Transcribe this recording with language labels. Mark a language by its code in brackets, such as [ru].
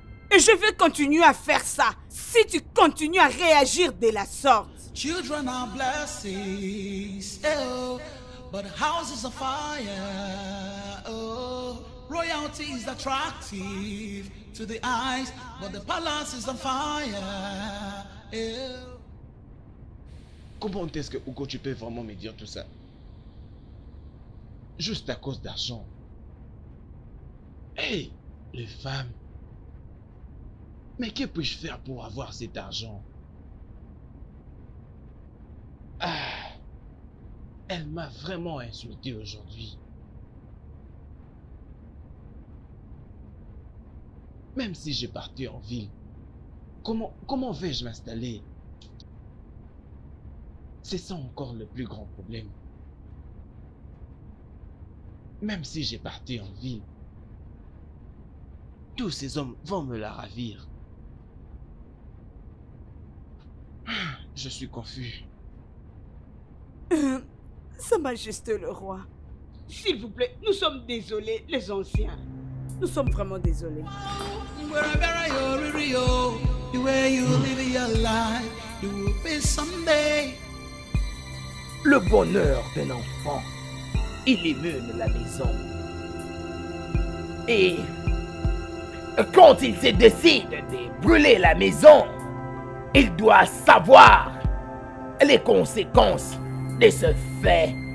[fr] Et je vais continuer à faire ça si tu continues à réagir de la sorte. [en] Children are blessings, oh, but houses are fire, oh. Royalty is attractive to the eyes, but the palace is on fire. [fr] Comment est-ce que Hugo, tu peux vraiment me dire tout ça? Juste à cause d'argent. Hey, les femmes. Mais que puis-je faire pour avoir cet argent? Ah, elle m'a vraiment insulté aujourd'hui. Même si j'ai parti en ville, comment vais-je m'installer? C'est ça encore le plus grand problème. Même si j'ai parti en ville, tous ces hommes vont me la ravir. Je suis confus. Sa Majesté le Roi. S'il vous plaît, nous sommes désolés, les anciens. Nous sommes vraiment désolés. [en] Wherever you are, the way you live your life, you will be someday. [fr] Le bonheur d'un enfant, il émeut la maison. Et quand il se décide de brûler la maison, il doit savoir les conséquences de ce fait.